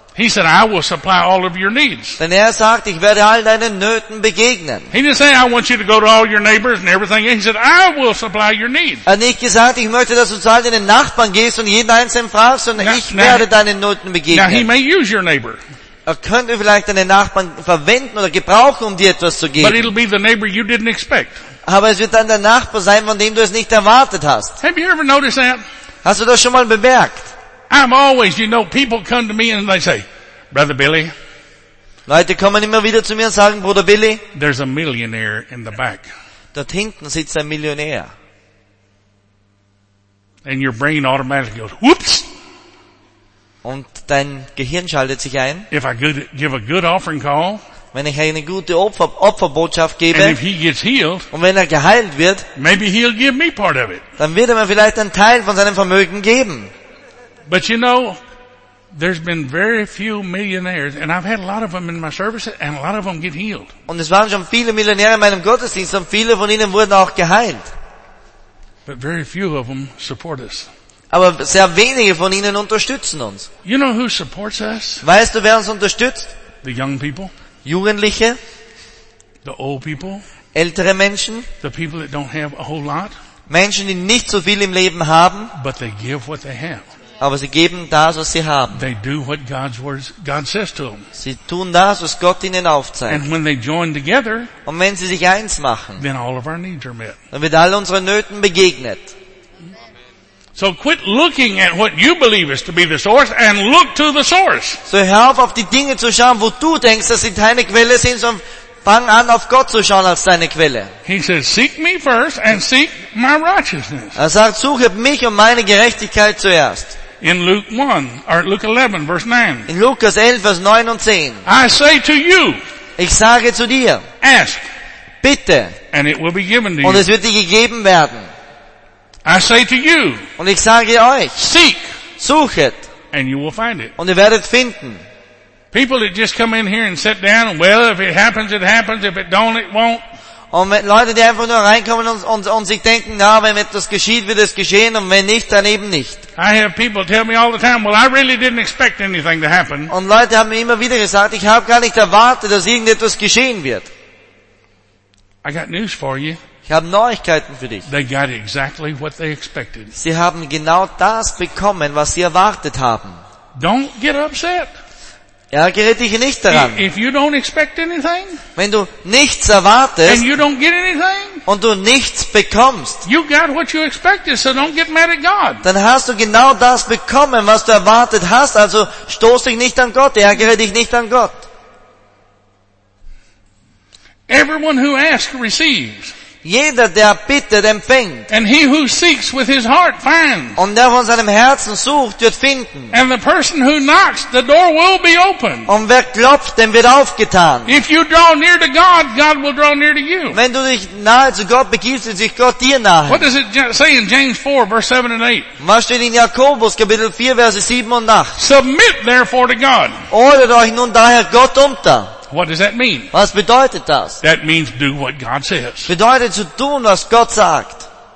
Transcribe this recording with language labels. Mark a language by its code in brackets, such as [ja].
[en] He said, I will supply all of your needs. [de] Denn er sagt, ich werde all deinen Nöten begegnen. [en] He didn't say, I want you to go to all your neighbors and everything. He said, I will supply your needs. [de] Er hat nicht gesagt, ich möchte, dass du zu all deinen Nachbarn gehst und jeden einzelnen fragst, sondern ich werde deinen Nöten begegnen. [en] Now he may use your neighbor. [de] Er könnte vielleicht deinen Nachbarn verwenden oder gebrauchen, um dir etwas zu geben. [en] But it'll be the neighbor you didn't expect. [de] Aber es wird dann der Nachbar sein, von dem du es nicht erwartet hast. [en] Have you ever noticed that? [de] Hast du das schon mal bemerkt? [en] I'm always, you know, people come to me and they say, Brother Billy. [de] Leute kommen immer wieder zu mir und sagen, Bruder Billy. [en] There's a millionaire in the back. [de] Dort hinten sitzt ein Millionär. [en] And your brain automatically goes, whoops. [de] Und dein Gehirn schaltet sich ein. [en] If I could give a good offering call. [de] Wenn ich eine gute Opferbotschaft gebe, [en] and if he gets healed, [de] und wenn er geheilt wird, [en] maybe he'll give me part of it. [de] Dann wird er mir vielleicht einen Teil von seinem Vermögen geben. [en] But you know, there's been very few millionaires, and I've had a lot of them in my services, and a lot of them get healed. [de] Und es waren schon viele Millionäre in meinem Gottesdienst, und viele von ihnen wurden auch geheilt. [en] But very few of them support us. [de] Aber sehr wenige von ihnen unterstützen uns. [en] You know who supports us? [de] Weißt du, wer uns unterstützt? [en] The young people. [de] Jugendliche. [en] The old people. [de] Ältere Menschen. [en] The people that don't have a whole lot. [de] Menschen, die nicht so viel im Leben haben. [en] But they give what they have. [de] Aber sie geben das, was sie haben. [en] They do what God's words, God says to them. [de] Sie tun das, was Gott ihnen aufzeigt. [en] And when they join together, [de] und wenn sie sich eins machen, [en] then all of our needs are met. [de] Dann wird all unsere Nöten begegnet. [en] So quit looking at what you believe is to be the source and look to the source. [de] So hör auf, auf die Dinge zu schauen, wo du denkst, dass sie deine Quelle sind, sondern fang an, auf Gott zu schauen als deine Quelle. [en] He says, seek me first and seek my righteousness. [de] Er sagt, suche mich und meine Gerechtigkeit zuerst. [en] In Luke 1, or Luke 11, verse 9. [de] In Lukas 11, Vers 9 und 10. [en] I say to you. [de] Ich sage zu dir. [en] Ask. [de] Bitte. [en] And it will be given to you. [de] Und es wird dir gegeben werden. [en] I say to you. [de] Und ich sage euch. [en] Seek. [de] Suchet. [en] And you will find it. [de] Und ihr werdet finden. [en] People that just come in here and sit down and well, if it happens, it happens. If it don't, it won't. [de] Und Leute, die einfach nur reinkommen und sich denken, na, wenn etwas geschieht, wird es geschehen, und wenn nicht, dann eben nicht. [en] I have people tell me all the time, well, I really didn't expect anything to happen. [de] Und Leute haben mir immer wieder gesagt, ich habe gar nicht erwartet, dass irgendetwas geschehen wird. [en] I got news for you. [de] Ich habe Neuigkeiten für dich. [en] They got exactly what they expected. [de] Sie haben genau das bekommen, was sie erwartet haben. [en] Don't get upset. [de] Ja, gerät dich nicht daran. [en] If you don't expect anything, [de] wenn du nichts erwartest [en] and you don't get anything, [de] und du nichts bekommst, [en] you got what you expected, so don't get mad at God. [de] Dann hast du genau das bekommen, was du erwartet hast. Also stoß dich nicht an Gott. Ärgere dich nicht an Gott. [en] Everyone who asks receives. [de] Jeder, der bittet, empfängt. [en] And he who seeks with his heart finds. [de] Und der von seinem Herzen sucht, wird finden. [en] And the person who knocks, the door will be opened. [de] Und wer klopft, dem wird aufgetan. [en] If you draw near to God, God will draw near to you. [de] Wenn du dich nahe zu Gott begibst, wird sich Gott dir nahe. [en] What does it say in James 4, verse 7 and 8? [de] Was steht in Jakobus, Kapitel 4, Verse 7 und 8? [en] Submit therefore to God. [de] Ordnet euch nun daher Gott unter. [en] What does that mean? [de] Was bedeutet das? [en] That means do what God says. [de] Bedeutet zu tun, was Gott sagt.